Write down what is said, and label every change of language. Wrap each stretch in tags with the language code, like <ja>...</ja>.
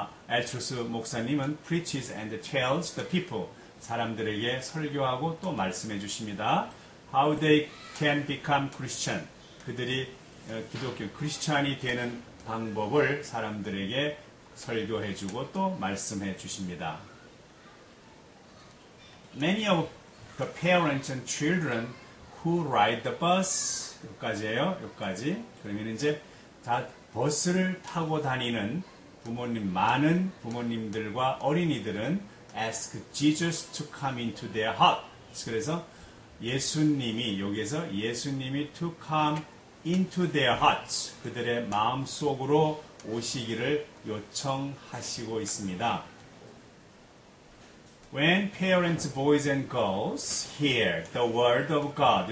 <en>Altruz 목사님은 preaches and tells the people.</en> <ko>사람들에게 설교하고 또 말씀해 주십니다.</ko> <en>How they can become Christian.</en> <ko>그들이 기독교, 크리스찬이 되는 방법을 사람들에게 설교해 주고 또 말씀해 주십니다.</ko> <en>Many of the parents and children who ride the bus.</en> <ko>여기까지예요. 여기까지. 그러면 이제 다 버스를 타고 다니는 부모님, 많은 부모님들과 어린이들은</ko> <en>ask Jesus to come into their heart.</en> <ko>그래서 예수님이, 여기에서 예수님이</ko> <en>to come into their hearts.</en> <ko>그들의 마음 속으로 오시기를 요청하시고 있습니다.</ko> <en>When parents, boys and girls hear the word of God.</en>